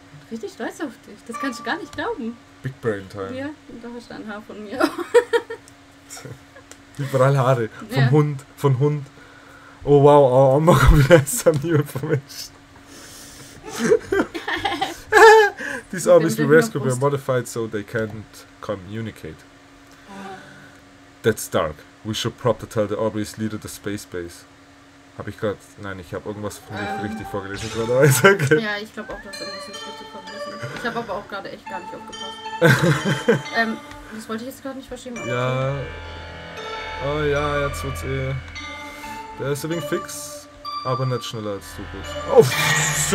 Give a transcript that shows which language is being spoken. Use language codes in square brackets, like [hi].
[de] Richtig stolz auf dich. Das kannst du gar nicht glauben. [en] Big Brain Time. [de] Ja, da hast du ein Haar von mir. Überall Haare. Vom Hund. Von Hund. Oh wow, oh, oh mein Gott, wie ist das niemand vermischt. [en] These Orbis we rescued were modified so they can't communicate. That's dark. We should probably tell the Orbis leader the space base. [de] Habe ich gerade. Nein, ich habe irgendwas nicht richtig vorgelesen gerade. Ja, ich glaube auch, dass irgendwas nicht richtig vorgelesen ist. Ich habe aber auch gerade echt gar nicht aufgepasst. das wollte ich jetzt gerade nicht verschieben. Ja. Okay. Oh ja, jetzt wird's eh. Der ist übrigens fix, aber nicht schneller als du bist.